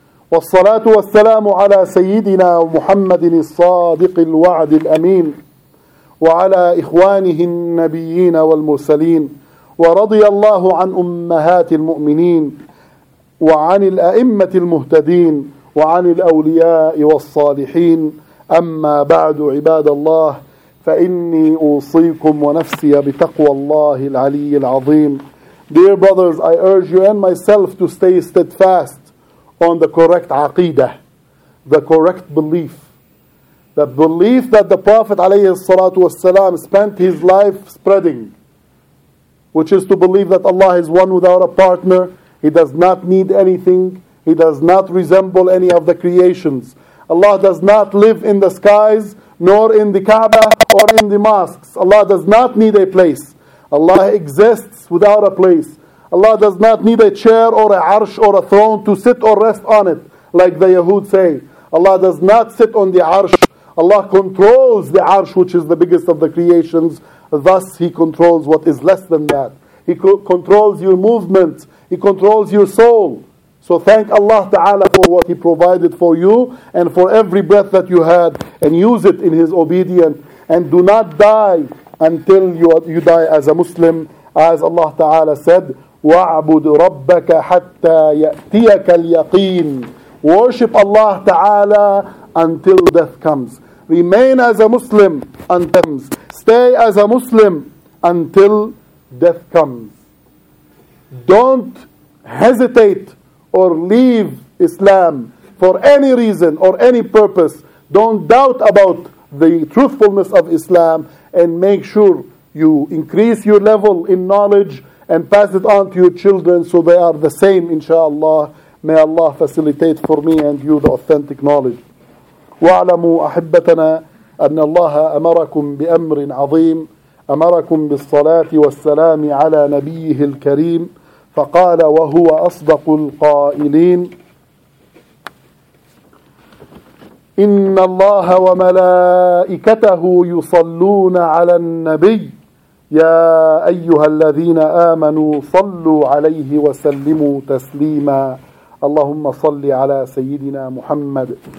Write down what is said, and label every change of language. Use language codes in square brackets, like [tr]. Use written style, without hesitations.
[ar] والصلاة والسلام على سيدنا محمد الصادق الوعد الأمين وعلى إخوانه النبيين والمرسلين، ورضي الله عن أمهات المؤمنين وعن الأئمة المهتدين وعن الأولياء والصالحين. أما بعد عباد الله، فإني أوصيكم ونفسي بتقوى الله العلي العظيم. [en] Dear brothers, I urge you and myself to stay steadfast on the correct aqidah, the correct belief. The belief that the Prophet عليه الصلاة والسلام spent his life spreading, which is to believe that Allah is one without a partner, He does not need anything, He does not resemble any of the creations. Allah does not live in the skies, nor in the Kaaba or in the mosques. Allah does not need a place. Allah exists without a place. Allah does not need a chair or a arsh or a throne to sit or rest on it, like the Yahud say. Allah does not sit on the arsh. Allah controls the arsh, which is the biggest of the creations. Thus, He controls what is less than that. He controls your movement. He controls your soul. So thank Allah Ta'ala for what He provided for you and for every breath that you had, and use it in His obedience, and do not die until you die as a Muslim. As Allah Ta'ala said, [ar] وَعْبُدْ رَبَّكَ حَتَّى يَأْتِيَكَ الْيَقِينَ. [en] Worship Allah Ta'ala until death comes. Remain as a Muslim until death comes. Stay as a Muslim until death comes. Don't hesitate or leave Islam for any reason or any purpose. Don't doubt about the truthfulness of Islam, and make sure you increase your level in knowledge and pass it on to your children so they are the same, inshallah. May Allah facilitate for me and you the authentic knowledge. [ar] وَعْلَمُوا أَحِبَّتَنَا أَنَّ اللَّهَ أَمَرَكُمْ بِأَمْرٍ عَظِيمٍ أَمَرَكُمْ بِالصَّلَاةِ وَالسَّلَامِ عَلَى نَبِيِّهِ الْكَرِيمِ فَقَالَ وَهُوَ أَصْدَقُ الْقَائِلِينَ إِنَّ اللَّهَ وَمَلَائِكَتَهُ يُصَلُّونَ عَلَى النَّبِيِّ يَا أَيُّهَا الَّذِينَ آمَنُوا صَلُّوا عَلَيْهِ وَسَلِّمُوا تَسْلِيمًا اللهم صل على سيدنا محمد